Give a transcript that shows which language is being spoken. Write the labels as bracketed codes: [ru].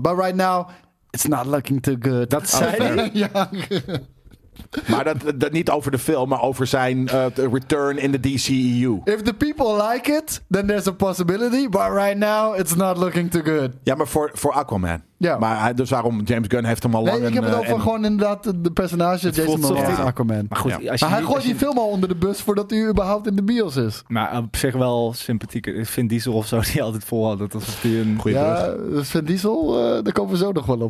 [en] But right now, it's not looking too good. [nl] Dat zei hij. Ja. Maar dat niet over de film, maar over zijn [en] return in the DCEU. If the people like it, then there's a possibility. But right now, it's not looking too good. [nl] Ja, maar voor Aquaman. Ja. Maar dus waarom James Gunn heeft hem al lang... Nee, ik heb het over gewoon inderdaad de personage Jason Momoa als Aquaman. Maar goed, ja. Hij gooit die film al onder de bus voordat hij überhaupt in de bios is. Maar op zich wel sympathieker. Vin Diesel of zo die altijd vol had. Dat was een goede brug. Ja, Vin Diesel, daar komen we zo nog wel op.